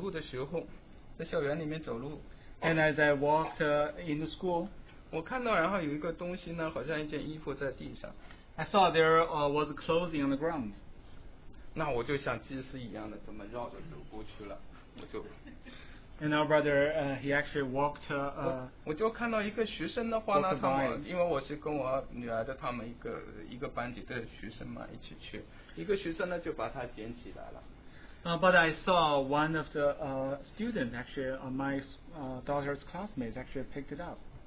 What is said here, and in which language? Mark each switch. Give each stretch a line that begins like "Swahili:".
Chinese: 那么在有一次的话呢，我就是在走路的时候，在校园里面走路。
English: And as I walked in the school,
Chinese: 我看到然后有一个东西呢，好像一件衣服在地上。
English: I saw there was clothing on the ground.
Chinese: 那我就像祭司一样的，怎么绕着走过去了，我就。
English: And our brother, he actually walked.
Chinese: 我就看到一个学生的话呢，他们因为我是跟我女儿的他们一个班级的学生嘛，一起去。一个学生呢就把它捡起来了。
English: But I saw one of the students, actually, my daughter's classmates actually picked it up.